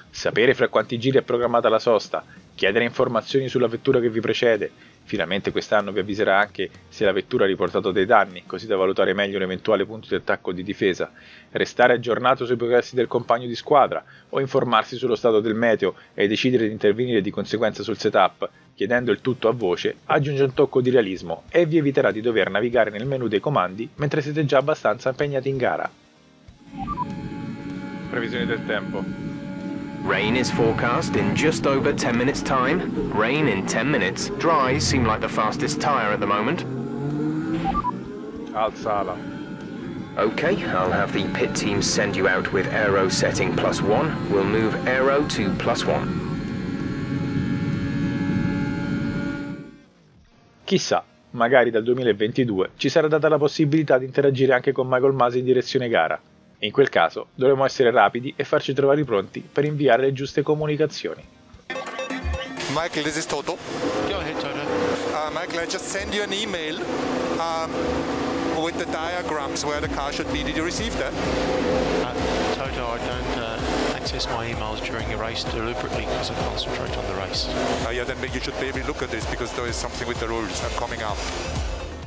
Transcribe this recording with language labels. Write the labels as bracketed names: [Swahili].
[Italian] Sapere fra quanti giri è programmata la sosta, chiedere informazioni sulla vettura che vi precede, finalmente quest'anno vi avviserà anche se la vettura ha riportato dei danni, così da valutare meglio un eventuale punto di attacco o di difesa, restare aggiornato sui progressi del compagno di squadra, o informarsi sullo stato del meteo e decidere di intervenire di conseguenza sul setup, chiedendo il tutto a voce, aggiunge un tocco di realismo e vi eviterà di dover navigare nel menu dei comandi mentre siete già abbastanza impegnati in gara. Previsioni del tempo. [English] Rain is forecast in just over 10 minutes time. Rain in 10 minutes. Dry seem like the fastest tire at the moment. [Italian] Alzala. [English] Okay, I'll have the pit team send you out with aero setting plus one. We'll move aero to plus one. [Italian] Chissà, magari dal 2022 ci sarà data la possibilità di interagire anche con Michael Masi in direzione gara. In quel caso dovremo essere rapidi e farci trovare pronti per inviare le giuste comunicazioni. [English] Michael, this is Toto. Go ahead, Toto. Michael, I just send you an email with the diagrams where the car should be. Did you receive that? Toto, I don't access my emails during a race deliberately because I concentrate on the race. Yeah, then you should maybe look at this because there is something with the rules. I'm coming up.